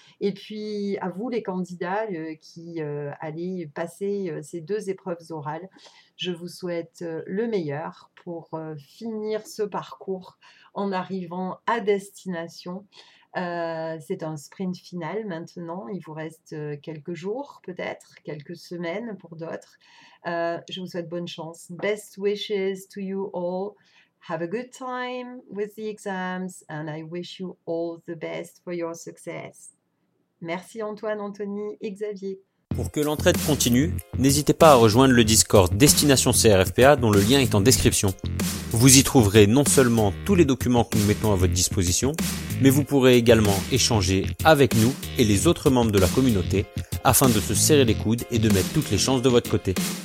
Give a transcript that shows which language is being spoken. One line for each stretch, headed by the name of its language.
French: Et puis à vous, les candidats qui allez passer ces deux épreuves orales, je vous souhaite le meilleur pour finir ce parcours en arrivant à destination. C'est un sprint final maintenant. Il vous reste quelques jours, peut-être quelques semaines pour d'autres. Je vous souhaite bonne chance.
English: Best wishes to you all. Have a good time with the exams and I wish you all the best for your success.
French: Merci Antoine, Anthony et Xavier. Pour que l'entraide continue, n'hésitez pas à rejoindre le Discord Destination CRFPA dont le lien est en description. Vous y trouverez non seulement tous les documents que nous mettons à votre disposition, mais vous pourrez également échanger avec nous et les autres membres de la communauté afin de se serrer les coudes et de mettre toutes les chances de votre côté.